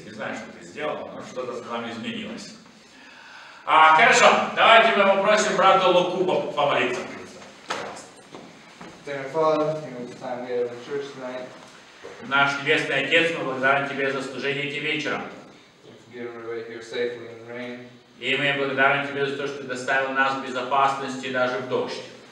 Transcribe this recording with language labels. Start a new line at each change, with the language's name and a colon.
Russian: Не знаю, что ты сделал, но что-то с нами изменилось. Хорошо, давайте мы попросим брата Луку помолиться.
English: Dear Father, thank you for the time we have in church tonight.
Russian: Наш Небесный Отец, мы благодарим Тебе за служение этим вечером. И мы благодарим Тебе за то, что Ты доставил нас в безопасности даже в дождь.